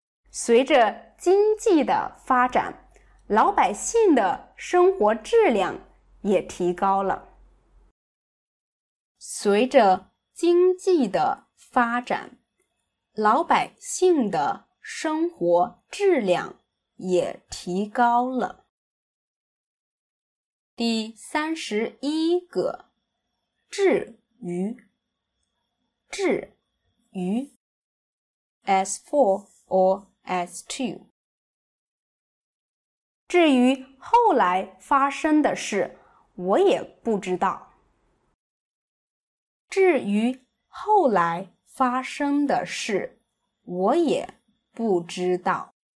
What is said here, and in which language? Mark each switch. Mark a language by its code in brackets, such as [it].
[zh] 随着经济的发展，老百姓的生活质量也提高了。随着经济的发展，老百姓的生活质量也提高了。第31个，至于 [en] as for or as to。 [zh] 至于后来发生的事，我也不知道。至于后来发生的事，我也不知道。